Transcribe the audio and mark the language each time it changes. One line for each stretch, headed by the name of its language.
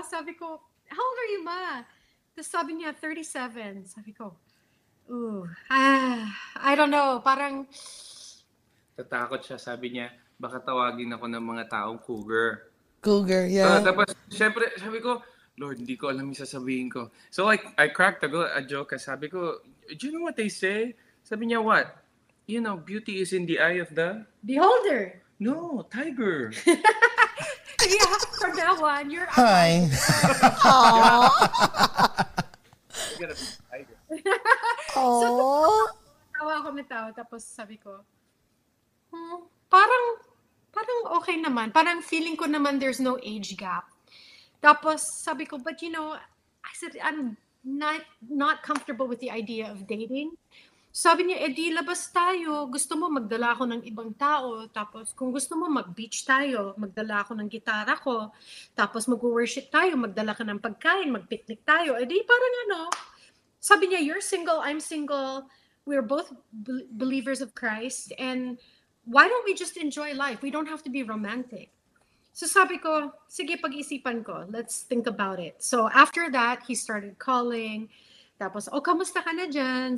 Filipino: Sabi ko,
English: how old are you,
Filipino: ma? Tapos sabi niya, 37. Sabi ko, ooh,
English: I don't know,
Filipino: parang... Tatakot siya, sabi niya, baka tawagin ako ng mga taong cougar.
English: Cougar, yeah.
Filipino: Tapos, syempre, sabi ko, Lord, hindi ko alam yung sasabihin ko.
English: So, like, I cracked a joke,
Filipino: sabi ko,
English: do you know what they say?
Filipino: Sabi niya,
English: what? You know, beauty is in the eye of the... Beholder! No, tiger! Yeah, for that one, you're... Hi! Aww! You gotta be a tiger.
Filipino: So, tawa ako mita, tapos sabi ko, parang okay naman. Parang feeling ko naman
English: there's no age gap.
Filipino: Tapos sabi ko,
English: but you know, I said, I'm not comfortable with the idea of dating.
Filipino: Sabi niya, edi labas tayo. Gusto mo magdala ako ng ibang tao. Tapos kung gusto mo mag-beach tayo, magdala ako ng gitara ko. Tapos mag-worship tayo, magdala ka ng pagkain, mag-picnic tayo. Edi parang ano... Sabi niya,
English: you're single, I'm single, we're both believers of Christ, and why don't we just enjoy life? We don't have to be romantic.
Filipino: So sabi ko, sige, pag-isipan ko,
English: let's think about it. So after that, he started calling, tapos, oh,
Filipino: kamusta ka na dyan?